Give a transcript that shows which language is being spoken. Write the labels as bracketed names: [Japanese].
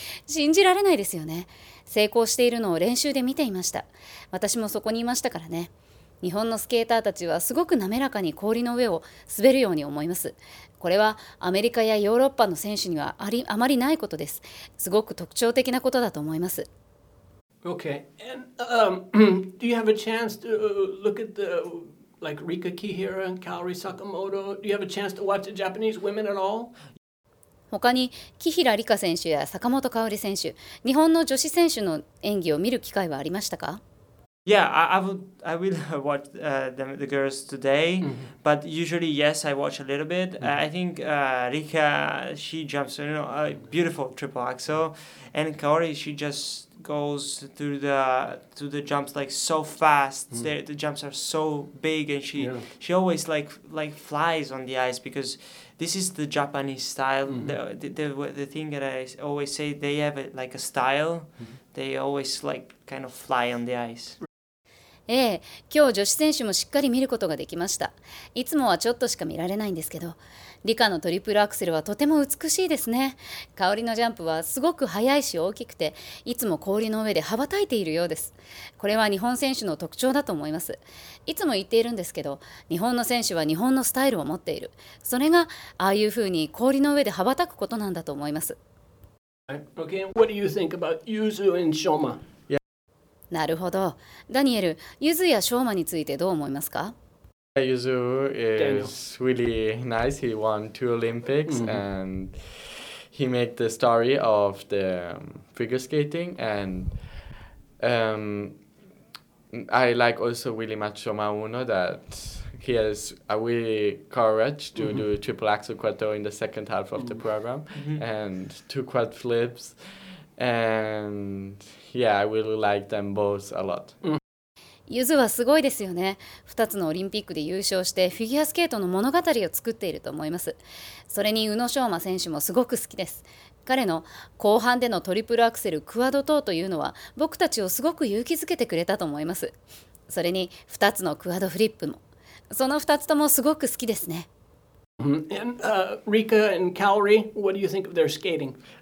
[Japanese] 信じられないですよね。成功しているのを練習で見ていました。私もそこにいましたからね。日本のスケーターたちはすごく滑らかに氷の上を滑るように思います。これはアメリカやヨーロッパの選手にはあまりないことです。すごく特徴的なことだと思います。 [English] Okay. And, do you have a chance to look at the, like, Rika Kihira and Kaori Sakamoto? Do you have a chance to watch the Japanese women at all? [Japanese] 他に木平梨花選手や坂本香織選手、日本の女子選手の演技を見る機会はありましたか？ [English] Yeah, I will watch the girls today, but usually yes, I watch a little bit. I think Rika, she jumps, you know, a beautiful triple axel, and Kaori, she just goes through the jumps like so fast. The jumps are so big, and she always like flies on the ice because. This is the Japanese style. The thing that I always say, they have it like a style. They always like kind of fly on the ice. [Japanese] ええ、今日女子選手もしっかり見ることができました。いつもはちょっとしか見られないんですけど、リカのトリプルアクセルはとても美しいですね。香織のジャンプはすごく速いし大きくて、いつも氷の上で羽ばたいているようです。これは日本選手の特徴だと思います。いつも言っているんですけど、日本の選手は日本のスタイルを持っている。それがああいうふうに氷の上で羽ばたくことなんだと思います。 [English] Okay, what do you think about Yuzu and Shoma? [Japanese] なるほど。ダニエル、ユズやショーマについてどう思いますか？ [English] ユズ is really nice. He won two Olympics and he made the story of the figure skating. And I like also really much Shoma Uno that he has a really courage to do triple axel quattro in the second half of the program and two quad flips. And yeah, I really like them both a lot. [Japanese] ユズはすごいですよね。2つのオリンピックで優勝してフィギュアスケートの物語を作っていると思います。それに宇野昌磨選手もすごく好きです。彼の後半でのトリプルアクセル、クワド等というのは僕たちをすごく勇気づけてくれたと思います。それに2つのクワドフリップも。その2つともすごく好きですね。 [English] Rika and Kaori, what do you think of their skating?